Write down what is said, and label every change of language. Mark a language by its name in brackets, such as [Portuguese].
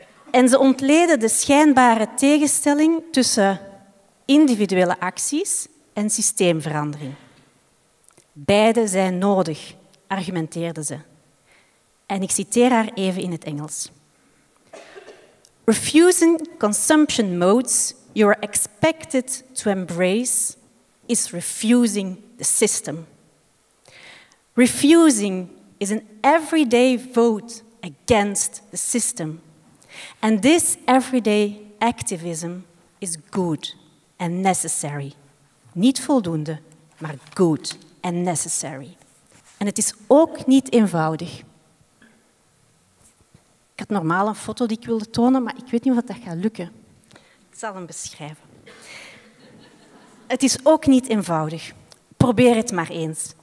[Dutch] En ze ontleedde de schijnbare tegenstelling tussen individuele acties en systeemverandering. Beide zijn nodig, argumenteerde ze. En ik citeer haar even in het Engels. [English] Refusing consumption modes you are expected to embrace is refusing the system. Refusing is an everyday vote against the system. And this everyday activism is good and necessary. [Dutch] Niet voldoende, maar [English] good and necessary. [Dutch] En het is ook niet eenvoudig. Ik had normaal een foto die ik wilde tonen, maar ik weet niet of dat gaat lukken. Ik zal hem beschrijven. Het is ook niet eenvoudig. Probeer het maar eens.